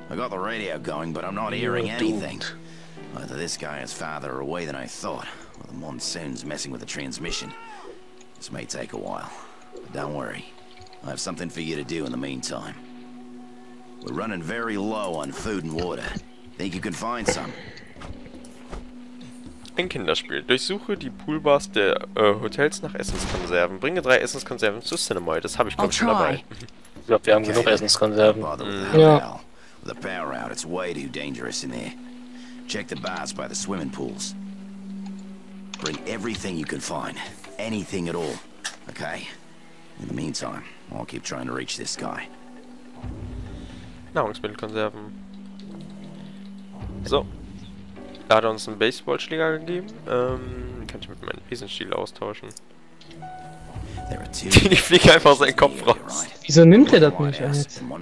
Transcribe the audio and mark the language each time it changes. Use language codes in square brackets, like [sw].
[en] I got the radio going, but I'm not hearing anything. Either this guy is farther away than I thought, or the monsoon's messing with the transmission. This may take a while. But don't worry. I have something for you to do in the meantime. We're running very low on food and water. Think you can find some? [de] Ein Kinderspiel. Durchsuche die Poolbars der Hotels nach Essenskonserven. Bringe 3 Essenskonserven zu Cinemoy. Das habe ich, glaube ich, schon dabei. Ich glaube, wir haben genug Essenskonserven. Ja. [en] The power out, it's way too dangerous in there. Check the bars by the swimming pools. Bring everything you can find. Anything at all. Okay? In the meantime, I'll keep trying to reach this guy. [de] Nahrungsmittelkonserven. So. Da hat er uns einen Baseballschläger gegeben. Kann ich mit meinem Besenstiel austauschen. Ich fliege einfach seinen Kopf raus. Wieso nimmt er das nicht jetzt?